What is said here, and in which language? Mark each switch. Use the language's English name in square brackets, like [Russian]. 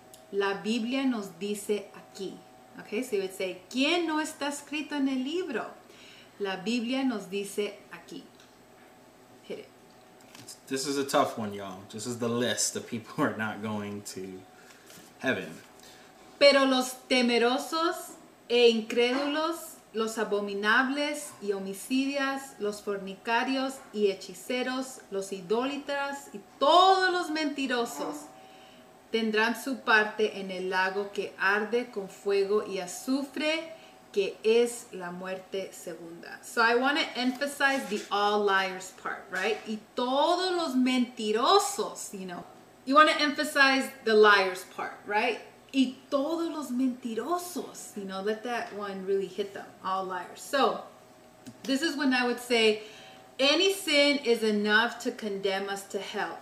[Spanish] La Biblia nos dice aquí. [English] Okay, so you would say, [Spanish] ¿quién no está escrito en el libro? La Biblia nos dice aquí. [English] Hit it. This is a tough one, y'all. This is the list of people who are not going to heaven. [Spanish] Pero los temerosos e incrédulos, los abominables y homicidas, los fornicarios y hechiceros, los idólatras y todos los mentirosos tendrán su parte en el lago que arde con fuego y azufre, que es la muerte segunda. [English] So I want to emphasize the all liars part, right? [Spanish] Y todos los mentirosos, [English] you know. You want to emphasize the liars part, right? [Spanish] Y todos los mentirosos, [English] you know. Let that one really hit them, all liars. So this is when I would say any sin is enough to condemn us to hell.